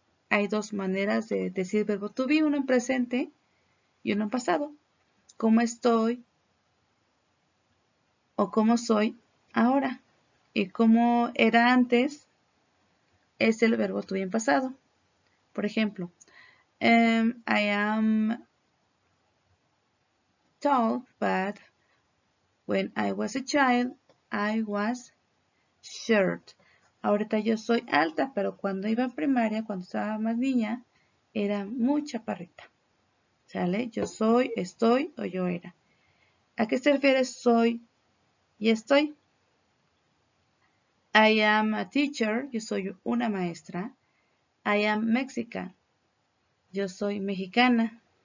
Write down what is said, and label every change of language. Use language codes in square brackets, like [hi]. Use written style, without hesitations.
[es] Hay dos maneras de decir verbo to be, uno en presente y uno en pasado. ¿Cómo estoy? O cómo soy ahora. Y cómo era antes es el verbo to be en pasado. Por ejemplo, [en] I am tall, but when I was a child, I was short. [es] Ahorita yo soy alta, pero cuando iba en primaria, cuando estaba más niña, era muy chaparrita. ¿Sale? Yo soy, estoy o yo era. ¿A qué se refiere soy y estoy? [en] I am a teacher, [es] yo soy una maestra. [en] I am Mexican, [es] yo soy mexicana.